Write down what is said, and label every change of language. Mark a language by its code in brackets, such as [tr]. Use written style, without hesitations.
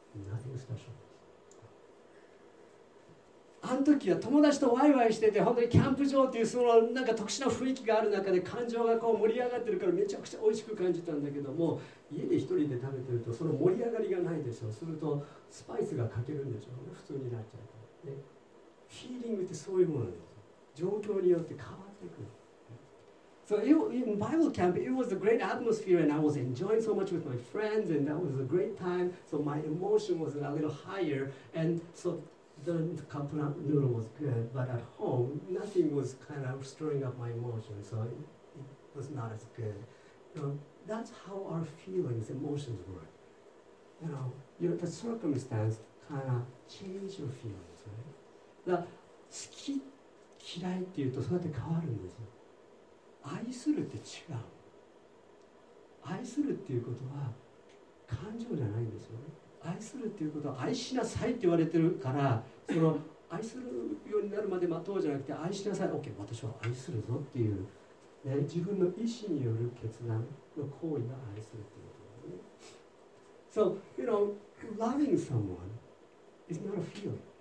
[en] Nothing special. [ja] あの時は友達とワイワイしてて、本当にキャンプ場っていうそのなんか特殊な雰囲気がある中で感情がこう盛り上がってるからめちゃくちゃ美味しく感じたんだけども、家で一人で食べてるとその盛り上がりがないでしょ。するとスパイスが欠けるんでしょうね。普通になっちゃう。フィーリングってそういうものです。状況によって変わってくる。 [en] So in Bible camp, it was a great atmosphere and I was enjoying so much with my friends and that was a great time. So my emotion was a little higher and so the cup noodle was good. But at home, nothing was kind of stirring up my emotion. So it was not as good. You know, that's how our feelings, emotions work. You know, the circumstance kind of change your feelings. [ja] だ好き嫌いっていうとそうやって変わるんですよ。愛するって違う。愛するっていうことは感情じゃないんですよね。愛するっていうことは愛しなさいって言われてるから、その愛するようになるまで待とうじゃなくて、愛しなさい、 OK、 私は愛するぞっていう、ね、自分の意思による決断の行為が愛するっていうことですね。 [en] So, you know, loving someone is not a feeling.